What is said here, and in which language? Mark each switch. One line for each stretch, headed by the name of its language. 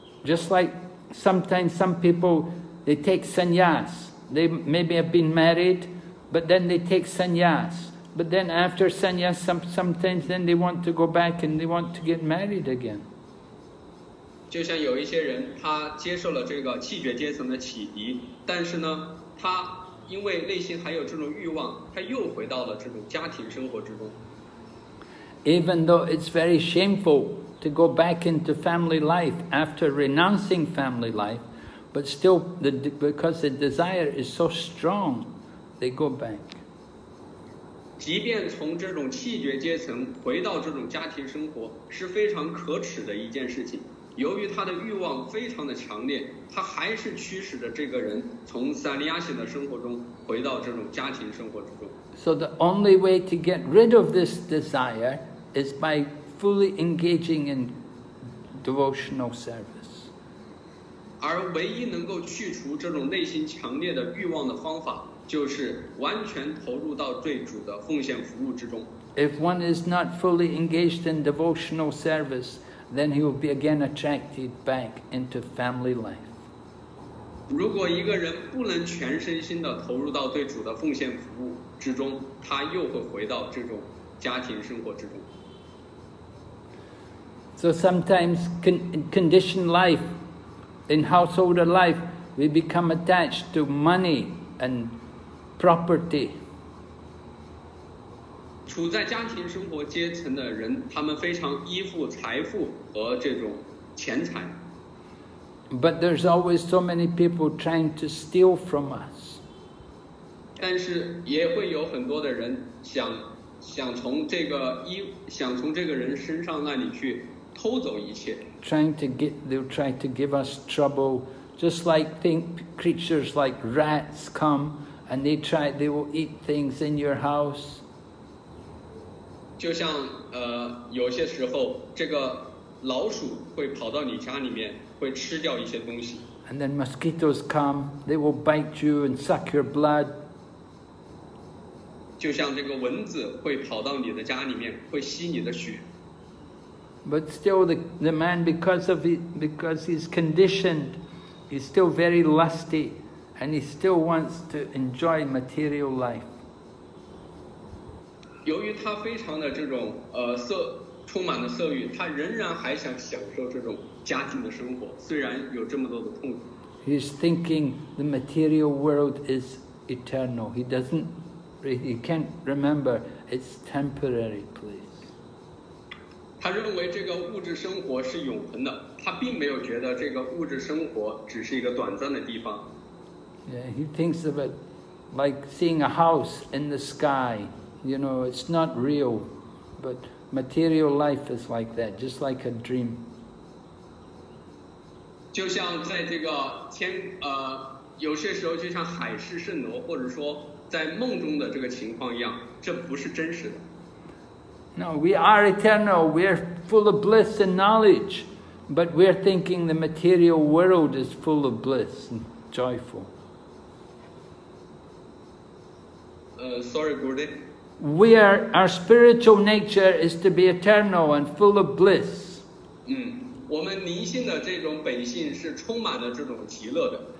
English: Just like sometimes some people, they take sannyas. They maybe have been married, but then they take sannyas. But then after sannyas, sometimes then they want to go back and they want to get married again.
Chinese: 就像有一些人，他接受了这个气绝阶层的启迪，但是呢，他因为内心还有这种欲望，他又回到了这种家庭生活之中。
English: Even though it's very shameful to go back into family life after renouncing family life, but still, because the desire is so strong, they go back.
Chinese: 即便从这种气绝阶层回到这种家庭生活是非常可耻的一件事情，由于他的欲望非常的强烈，他还是驱使着这个人从三利亚省的生活中回到这种家庭生活之中。
English: So the only way to get rid of this desire is by fully engaging in devotional service.
Chinese: 而唯一能够去除这种内心强烈的欲望的方法，就是完全投入到对主的奉献服务之中。
English: If one is not fully engaged in devotional service, then he will be again attracted back into family life.
Chinese: 如果一个人不能全身心地投入到对主的奉献服务之中，他又会回到这种家庭生活之中。
English: So sometimes conditioned life, in household life, we become attached to money and property.
Chinese: 处在家庭生活阶层的人，他们非常依附财富和这种钱财。
English: But there's always so many people trying to steal from us.
Chinese: 但是也会有很多的人想从这个衣想从这个人身上那里去偷走一切。
English: They'll try to give us trouble, just like think creatures like rats come and they will eat things in your house.
Chinese: 就像有些时候这个老鼠会跑到你家里面，会吃掉一些东西。
English: And then mosquitoes come, they will bite you and suck your blood.
Chinese: 就像这个蚊子会跑到你的家里面，会吸你的血。
English: But still the man, because he's conditioned, he's still very lusty, and he still wants to enjoy material life.
Chinese: 由于他非常的这种充满了色欲，他仍然还想享受这种家庭的生活，虽然有这么多的痛苦。
English: He's thinking the material world is eternal. He can't remember it's temporary place.
Chinese: 他认为这个物质生活是永恒的，他并没有觉得这个物质生活只是一个短暂的地方。
English: Yeah, he thinks of it like seeing a house in the sky. You know, it's not real, but material life is like that, just like a dream.
Chinese: 就像在这个天有些时候就像海市蜃楼，或者说在梦中的这个情况一样，这不是真实的。
English: No, we are eternal, we're full of bliss and knowledge, but we're thinking the material world is full of bliss and joyful. Sorry, Gurudev. Where our spiritual nature is to be eternal and full of bliss.
Chinese: 我们灵性的这种本性是充满了这种极乐的。